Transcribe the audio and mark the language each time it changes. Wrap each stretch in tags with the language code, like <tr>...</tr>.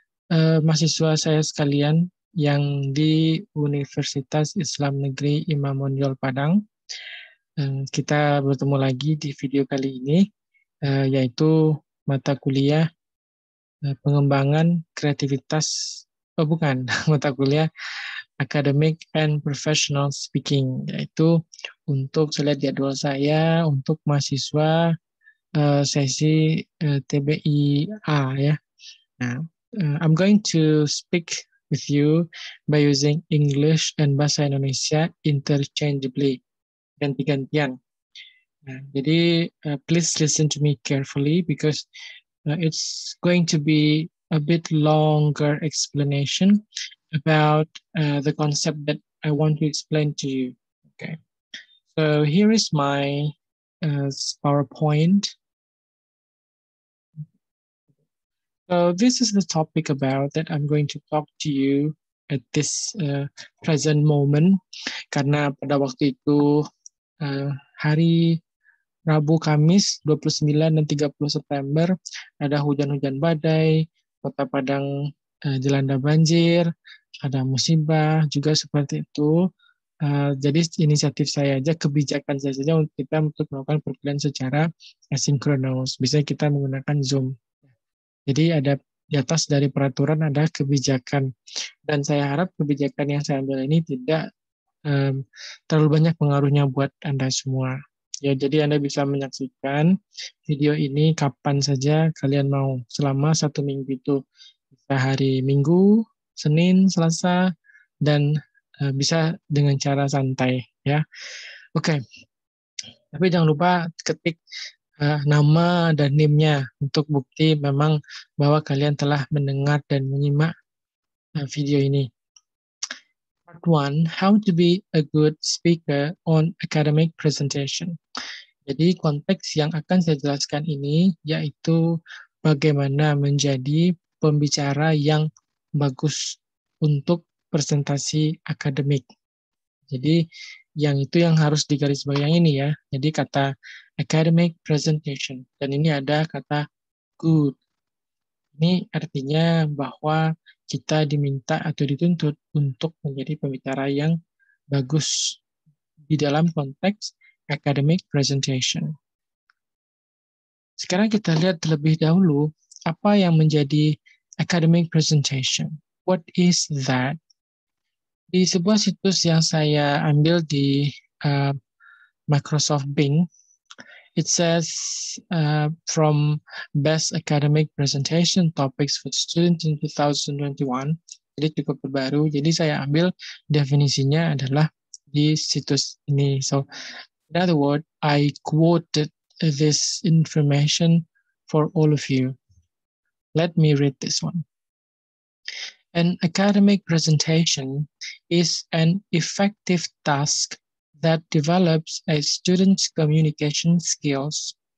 <id>Mahasiswa saya sekalian yang di Universitas Islam Negeri Imam Bonjol Padang, kita bertemu lagi di video kali ini, yaitu mata kuliah pengembangan kreativitas, oh bukan, mata kuliah Academic and Professional Speaking, yaitu untuk saya lihat jadwal saya untuk mahasiswa sesi TBIA ya.</id> <en>Nah, I'm going to speak with you by using English and Bahasa Indonesia interchangeably, ganti-gantian.</en> <id>Nah, jadi,</id> <en>please listen to me carefully because it's going to be a bit longer explanation about the concept that I want to explain to you. Okay. So here is my PowerPoint. So this is the topic about that I'm going to talk to you at this present moment.</en> <id>Karena pada waktu itu hari Rabu Kamis 29 dan 30 September ada hujan-hujan badai, Kota Padang dilanda banjir, ada musibah juga seperti itu. Jadi inisiatif saya aja, kebijakan saya saja untuk kita untuk melakukan perkuliahan secara asinkronus. Biasanya kita menggunakan Zoom. Jadi ada di atas dari peraturan ada kebijakan. Dan saya harap kebijakan yang saya ambil ini tidak terlalu banyak pengaruhnya buat Anda semua. Ya, jadi Anda bisa menyaksikan video ini kapan saja kalian mau, selama satu minggu itu. Bisa hari Minggu, Senin, Selasa, dan bisa dengan cara santai. Ya, oke. Okay. Tapi jangan lupa ketik nama dan NIM-nya untuk bukti memang bahwa kalian telah mendengar dan menyimak video ini.</id> <en>Part 1, how to be a good speaker on academic presentation.</en> <id>Jadi konteks yang akan saya jelaskan ini yaitu bagaimana menjadi pembicara yang bagus untuk presentasi akademik. Jadi yang itu yang harus digarisbawahi yang ini ya. Jadi kata academic presentation. Dan ini ada kata good. Ini artinya bahwa kita diminta atau dituntut untuk menjadi pembicara yang bagus di dalam konteks academic presentation. Sekarang kita lihat terlebih dahulu apa yang menjadi academic presentation.</id> <en>What is that?</en> <id>Di sebuah situs yang saya ambil di Microsoft Bing,</id> <en>it says from best academic presentation topics for students in 2021.</en> <id>Jadi cukup terbaru. Jadi saya ambil definisinya adalah di situs ini.</id> <en>So, in other words, I quoted this information for all of you. Let me read this one. An academic presentation is an effective task that develops a student's communication skills.</en>